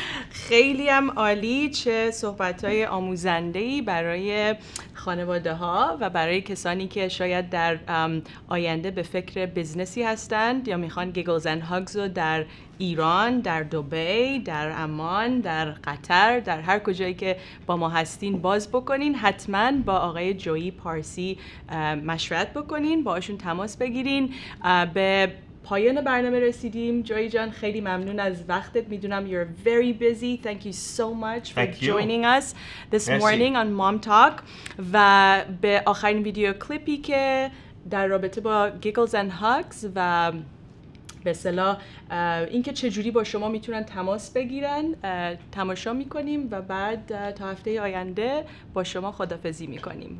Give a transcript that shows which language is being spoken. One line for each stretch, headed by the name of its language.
Persian: خیلی هم عالی چه صحبت‌های آموزنده‌ای برای خانواده‌ها و برای کسانی که شاید در آینده به فکر بزنسی هستند یا میخوان Giggles and Hugs رو در ایران، در دبی، در عمان، در قطر، در هر کجایی که با ما هستین باز بکنین، حتما با آقای جویی پارسی مشورت بکنین، باشون تماس بگیرین. به پایان برنامه رسیدیم. جویی جان خیلی ممنون از وقتت. میدونم
English: you're very busy. Thank you so much for joining us this morning on Mom Talk.
Persian: و به آخرین ویدیو کلیپی که در رابطه با Giggles and Hugs و به اصطلاح اینکه چه جوری با شما میتونن تماس بگیرن تماشا میکنیم و بعد تا هفته آینده با شما خدافظی میکنیم.